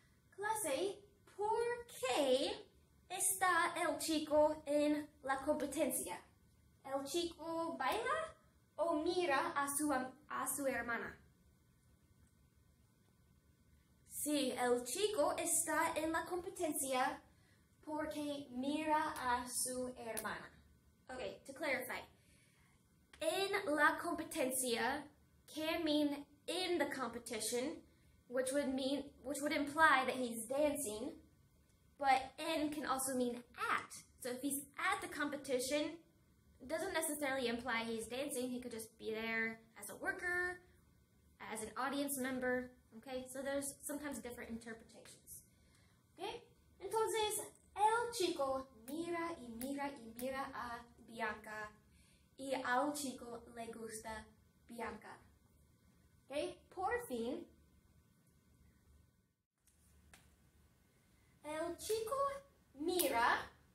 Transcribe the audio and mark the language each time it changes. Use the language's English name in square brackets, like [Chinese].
[Spanish] Clase, ¿por qué está el chico en la competencia? ¿El chico baila o mira a su hermana? Sí, el chico está en la competencia porque mira a su hermana. [English] Okay, to clarify, [Spanish] en la competencia [English] can mean in the competition, which would imply that he's dancing, but en can also mean at. So if he's at the competition, doesn't necessarily imply he's dancing. He could just be there as a worker, as an audience member. Okay, so there's sometimes different interpretations. [Spanish] Okay, entonces el chico mira y mira y mira a Bianca, y al chico le gusta Bianca. Okay, por fin, el chico mira.